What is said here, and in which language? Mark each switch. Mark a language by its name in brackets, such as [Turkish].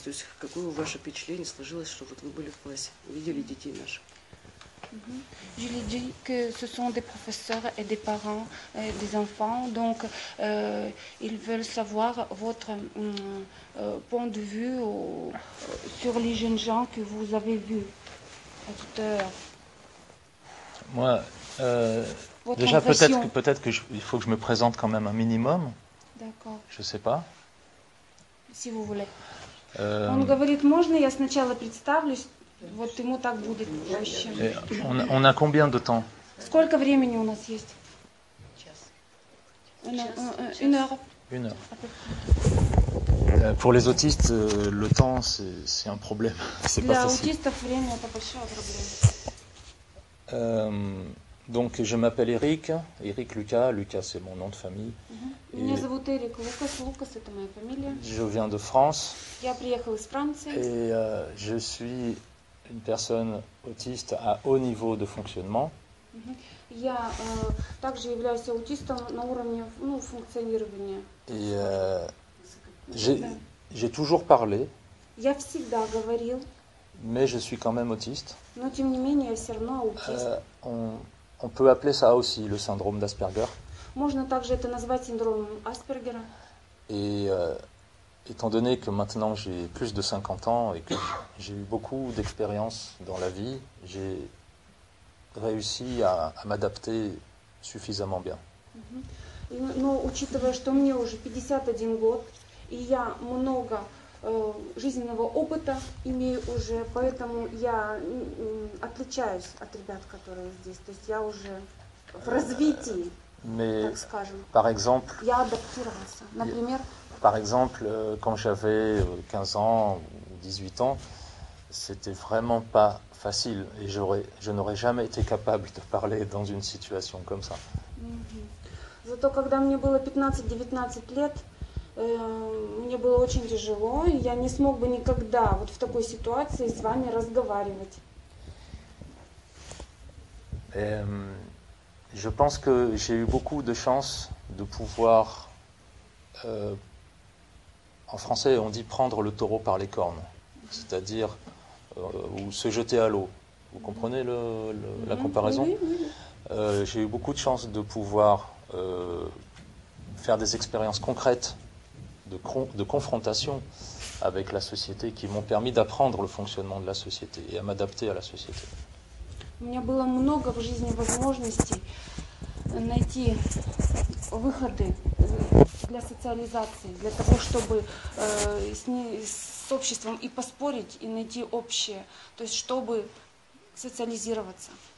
[Russian] То есть какое ваше впечатление сложилось, что вот вы были в классе, видели детей наших? [French] Je lui dis que ce sont des professeurs et des parents et des enfants, donc ils veulent savoir votre point de vue sur les jeunes gens que vous avez vus tout à l'heure. Moi, déjà peut-être que il faut que je me présente quand même un minimum. D'accord. Je sais pas. Si vous voulez. [Russian] Он говорит, можно я сначала представлюсь. Вот ему так будет проще. [French] On a combien de temps? [Russian] Сколько времени у нас есть? Час. [French] Une heure. Une heure. Pour les autistes, le temps c'est un problème. C'est [Russian] Для [French] pas facile. [Russian] Аутистов время это большой проблем. [French] Donc je m'appelle Eric, Eric Lucas, Lucas c'est mon nom de famille. Mm-hmm. [Russian] Меня зовут Эрик Лукас, Лукас это моя фамилия. [French] Je viens de France. [Russian] Я приехал из Франции. [French] Et je suis une personne autiste à haut niveau de fonctionnement. Mm-hmm. [Russian] Я также являюсь аутистом на уровне, ну, функционирования. [French] Et j'ai toujours parlé. [Russian] Я всегда говорил. [French] Mais je suis quand même autiste. [Russian] Но тем не менее я все равно аутист. [French] On peut appeler ça aussi le syndrome d'Asperger. [Russian] Можно также это назвать синдромом Аспергера. [French] Et étant donné que maintenant j'ai plus de 50 ans et que j'ai eu beaucoup d'expérience dans la vie, j'ai réussi à m'adapter suffisamment bien. [Russian] Но учитывая, что мне уже 51 год, и я много жизненного опыта имею уже, поэтому я отличаюсь от ребят, которые здесь. То есть я уже в развитии, [French] mais, [Russian] так скажем. [French] Par exemple, [Russian] я адаптировался. Например, [French] par exemple, quand j'avais 15 ans ou 18 ans, c'était vraiment pas facile et je n'aurais jamais été capable de parler dans une situation comme ça. Mm-hmm. [Russian] Зато когда мне было 15-19 лет, мне было очень тяжело, и я не смог бы никогда вот в такой ситуации с вами разговаривать. [French] Je pense que j'ai eu beaucoup de chance de pouvoir, en français on dit prendre le taureau par les cornes, c'est-à-dire ou se jeter à l'eau. Vous comprenez la comparaison? Oui, oui, oui. J'ai eu beaucoup de chance de pouvoir faire des expériences concrètes de confrontation avec la société qui m'ont permis d'apprendre le fonctionnement de la société et à m'adapter à la société. [Russian] У меня было много в жизни возможностей, найти выходы для социализации, для того, чтобы с обществом и поспорить, и найти общее, то есть чтобы социализироваться.